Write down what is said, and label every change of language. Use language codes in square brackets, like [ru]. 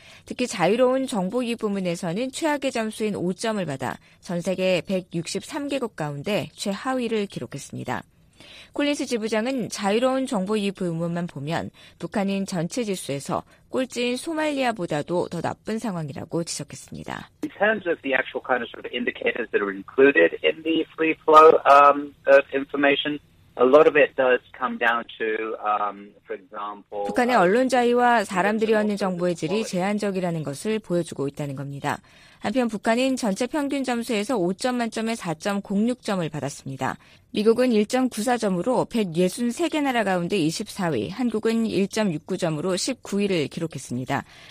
[ko] 특히 자유로운 정보 유입 부문에서는 최악의 점수인 5점을 받아 전 세계 163개국 가운데 최하위를 기록했습니다. 콜린스 지부장은 자유로운 정보 유입 부문만 보면 북한은 전체 지수에서 꼴찌인 소말리아보다도 더 나쁜 상황이라고 지적했습니다. [en] In terms of the actual kind of sort of indicators that are included in the free flow of information, a lot of it does come down to, for example, [ko] 북한의 언론 자유와 사람들이 얻는 정보의 질이 제한적이라는 것을 보여주고 있다는 겁니다. 한편 북한은 전체 평균 점수에서 5점 만점에 4.06점을 받았습니다. 미국은 1.94점으로 163개 나라 가운데 24위, 한국은 1.69점으로 19위를 기록했습니다.